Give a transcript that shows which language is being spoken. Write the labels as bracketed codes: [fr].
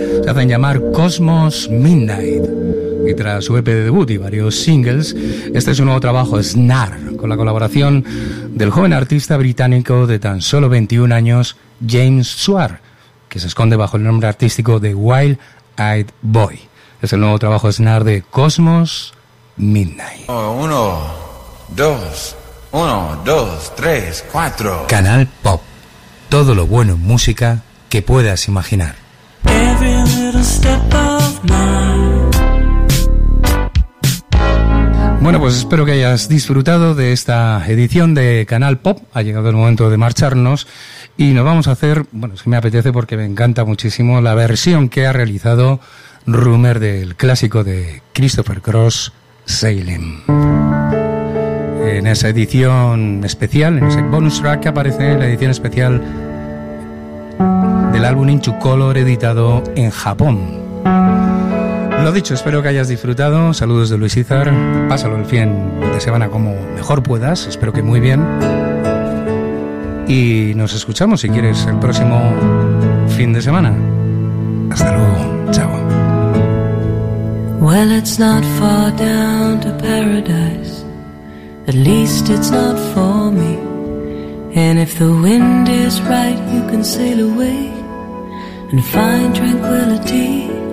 [es] Se hacen llamar Cosmos Midnight. Y tras su EP de debut y varios singles, este es su nuevo trabajo, Snar, con la colaboración del joven artista británico de tan solo 21 años, James Suar, que se esconde bajo el nombre artístico de Wild Eyed Boy. Es el nuevo trabajo Snar de Cosmos Midnight. Uno, dos, uno, dos, tres, cuatro. Canal Pop. Todo lo bueno en música que puedas imaginar. [en] Every little step of mine. [es] Bueno, pues espero que hayas disfrutado de esta edición de Canal Pop. Ha llegado el momento de marcharnos y nos vamos a hacer, bueno, es que me apetece porque me encanta muchísimo la versión que ha realizado Rumour del clásico de Christopher Cross, Sailing. En esa edición especial, en ese bonus track que aparece en la edición especial del álbum Into Color editado en Japón. Lo dicho, espero que hayas disfrutado. Saludos de Luis Izar. Pásalo el fin de semana como mejor puedas. Espero que muy bien. Y nos escuchamos si quieres el próximo fin de semana. Hasta luego. Chao. [en] Well, it's not far down to paradise. At least it's not for me. And if the wind is right, you can sail away and find tranquility.